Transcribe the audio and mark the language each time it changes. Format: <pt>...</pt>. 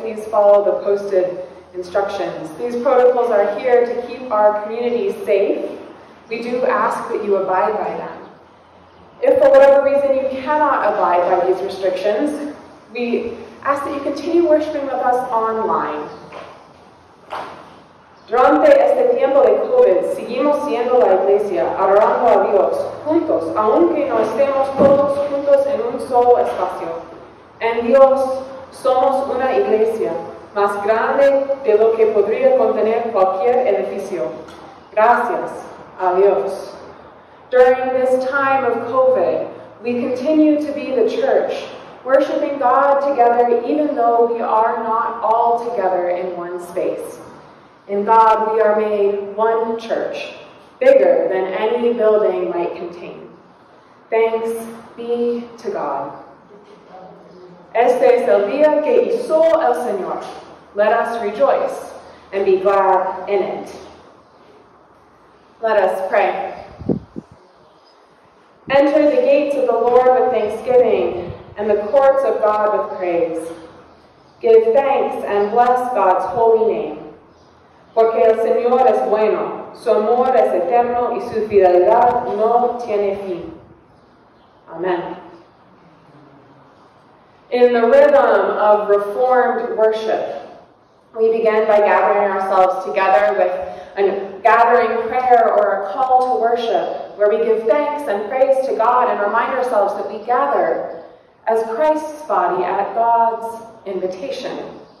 <en>Please follow the posted instructions. These protocols are here to keep our community safe. We do ask that you abide by them. If for whatever reason you cannot abide by these restrictions, we ask that you continue worshiping with us online.</en> <es>Durante este tiempo de COVID, seguimos siendo la iglesia, adorando a Dios, juntos, aunque no estemos todos juntos en un solo espacio. En Dios, somos una iglesia, más grande de lo que podría contener cualquier edificio. Gracias a Dios.</es> <en>During this time of COVID, we continue to be the church, worshiping God together even though we are not all together in one space. In God, we are made one church, bigger than any building might contain. Thanks be to God.</en> <es>Este es el día que hizo el Señor.</es> <en>Let us rejoice and be glad in it. Let us pray. Enter the gates of the Lord with thanksgiving and the courts of God with praise. Give thanks and bless God's holy name.</en> <es>Porque el Señor es bueno, su amor es eterno y su fidelidad no tiene fin.</es> <en>Amen. In the rhythm of Reformed worship, we begin by gathering ourselves together with a gathering prayer or a call to worship, where we give thanks and praise to God and remind ourselves that we gather as Christ's body at God's invitation.</en>